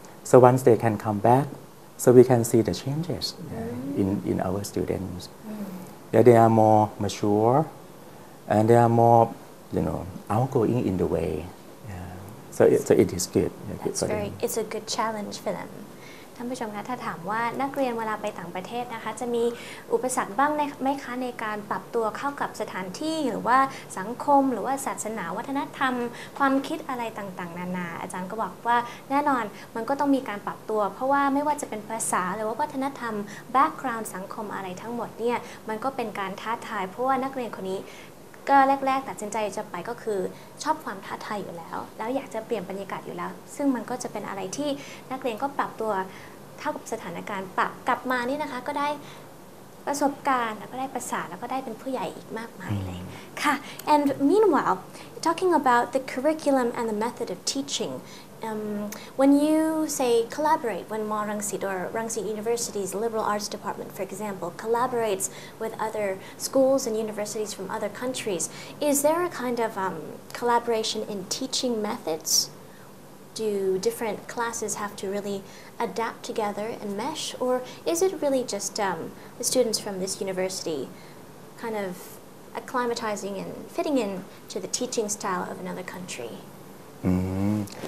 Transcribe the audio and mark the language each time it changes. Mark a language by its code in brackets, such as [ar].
[en] So once they can come back, so we can see the changes in our students. Mm. Yeah, they are more mature, and they are more, you know, outgoing in the way. Yeah. So it is good. Yeah, that's good very, it's a good challenge for them. [th] ท่านผู้ชมคะถ้าถามว่านักเรียนเวลาไปต่างประเทศนะคะจะมีอุปสรรคบ้างไหมคะในการปรับตัวเข้ากับสถานที่หรือว่าสังคมหรือว่าศาสนาวัฒนธรรมความคิดอะไรต่างๆนานาอาจารย์ก็บอกว่าแน่นอนมันก็ต้องมีการปรับตัวเพราะว่าไม่ว่าจะเป็นภาษาหรือว่าวัฒนธรรม background สังคมอะไรทั้งหมดเนี่ยมันก็เป็นการท้าทายเพราะว่านักเรียนคนนี้ ก็แรกๆแต่ตัดสินใจจะไปก็คือชอบความท้าทายอยู่แล้วแล้วอยากจะเปลี่ยนบรรยากาศอยู่แล้วซึ่งมันก็จะเป็นอะไรที่นักเรียนก็ปรับตัวเท่ากับสถานการณ์ปรับกลับมานี่นะคะก็ได้ ประสบการณ์แล้วก็ได้ภาษาแล้วก็ได้เป็นผู้ใหญ่อีกมากมายเลยค่ะ [en] and meanwhile talking about the curriculum and the method of teachingwhen you say collaborate, when Ma Rangsit or Rangsit University's Liberal Arts Department, for example, collaborates with other schools and universities from other countries, is there a kind of collaboration in teaching methods? Do different classes have to really adapt together and mesh? Or is it really just the students from this university kind of acclimatizing and fitting in to the teaching style of another country? Mm-hmm.